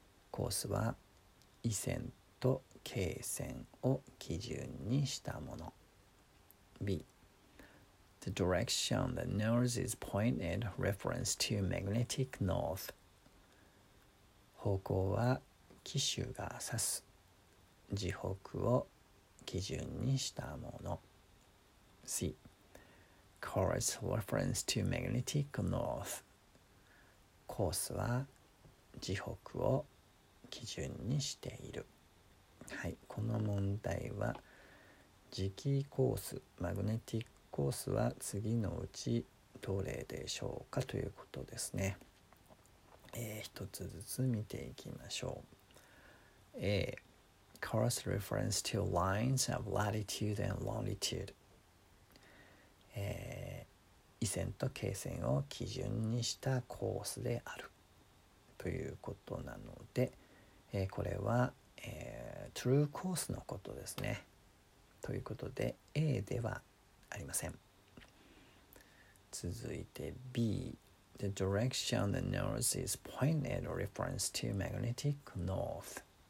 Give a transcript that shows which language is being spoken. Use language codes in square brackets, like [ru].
[ja] コースは緯線と経線を基準にしたもの。 [en] B. The direction the north is pointed reference to magnetic north. [ja] 方向は機首が指す磁北を基準にしたもの。 [en] C. Course reference to magnetic north. [ja] コースは磁北を基準にしている。はい、この問題は磁気コース、マグネティックコースは次のうちどれでしょうかということですね。一つずつ見ていきましょう。 [en] A. Course reference to lines of latitude and longitude. [ja] 緯線と経線を基準にしたコースであるということなので、これは、true コースのことですね。ということで A ではありません。続いて B. [en] The direction the north is pointed reference to magnetic north.